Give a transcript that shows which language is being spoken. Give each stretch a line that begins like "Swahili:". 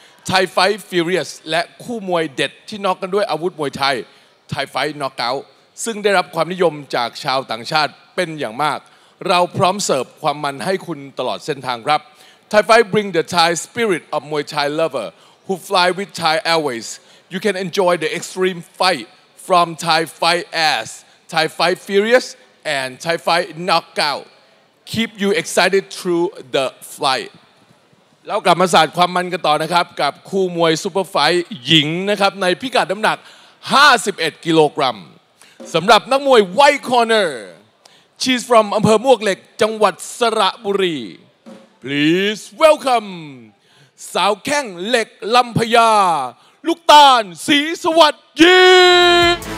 Thai: ไทยไฟฟิวเรียสและคู่มวยเด็ดที่น็อกกันด้วยอาวุธมวยไทยไทยไฟน็อกเอาท์ซึ่งได้รับความนิยมจากชาวต่างชาติเป็นอย่างมากเราพร้อมเสิร์ฟความมันให้คุณตลอดเส้นทางครับ
English: Thai Fight bring the Thai spirit of Muay Thai lover who fly with Thai Airways. You can enjoy the extreme fight from Thai Fight S, Thai Fight Furious, and Thai Fight Knockout. Keep you excited through the flight.
Thai: เรากลับมาสาดความมันกันต่อนะครับกับคู่มวยซุปเปอร์ไฟท์หญิงนะครับในพิกัดน้ำหนัก51กิโลกรัมสำหรับนักมวย White Corner.
English: She's from
Thai: อำเภอมวกเหล็กจังหวัดสระบุรี
English: Please welcome
Thai: สาวแข้งเหล็กลำพญาลูกตาลศรีสวัสดิ์ยิม